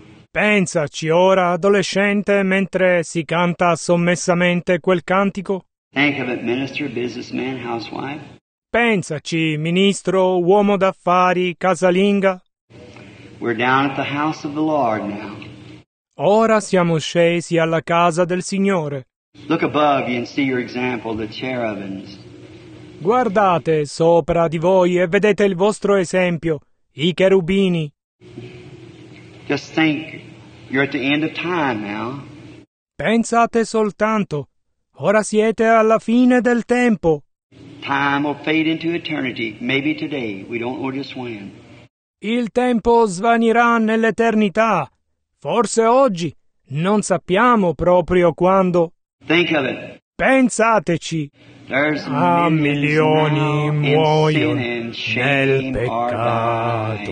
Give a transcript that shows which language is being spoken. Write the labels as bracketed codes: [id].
[it] Pensaci ora, adolescente, mentre si canta sommessamente quel cantico. [en] Think of it, minister, businessman, housewife. [it] Pensaci, ministro, uomo d'affari, casalinga. [en] We're down at the house of the Lord now. [it] Ora siamo scesi alla casa del Signore. [en] Look above you and see your example, the cherubims. [it] Guardate sopra di voi e vedete il vostro esempio, i cherubini. [en] Just think, you're at the end of time now. [it] Pensate soltanto, Ora siete alla fine del tempo. [en] Time will fade into eternity, maybe today, we don't know just when. [it] Il tempo svanirà nell'eternità. Forse oggi, non sappiamo proprio quando. [en] Think of it. [it] Pensateci. Milioni muoiono nel peccato.